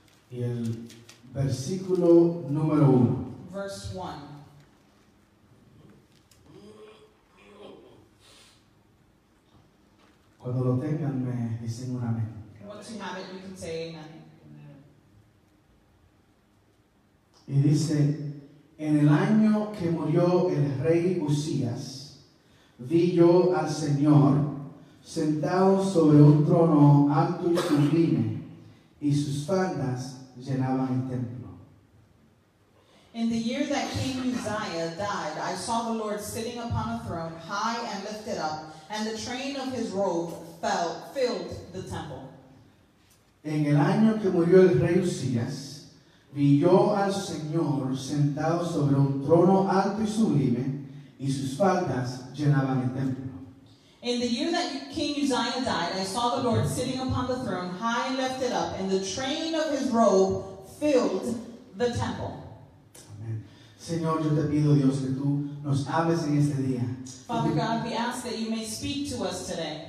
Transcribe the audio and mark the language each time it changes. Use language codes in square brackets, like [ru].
[es] Y el versículo número uno. [en] Verse 1. [es] Cuando lo tengan, me dicen un amén. [en] Once you have it, you can say amen. [es] Y dice, en el año que murió el rey Usías, vi yo al Señor sentado sobre un trono alto y sublime, y sus faldas llenaban el templo. [en] In the year that King Uzziah died, I saw the Lord sitting upon a throne, high and lifted up, and the train of his robe filled the temple. [es] En el año que murió el rey Uzías, vi yo al Señor sentado sobre un trono alto y sublime, y sus faldas llenaban el templo. [en] In the year that King Uzziah died, I saw the Lord sitting upon the throne, high and lifted up, and the train of his robe filled the temple. Amen. [es] Señor, yo te pido, Dios, que tú nos hables en este día. [en] Father God, we ask that you may speak to us today.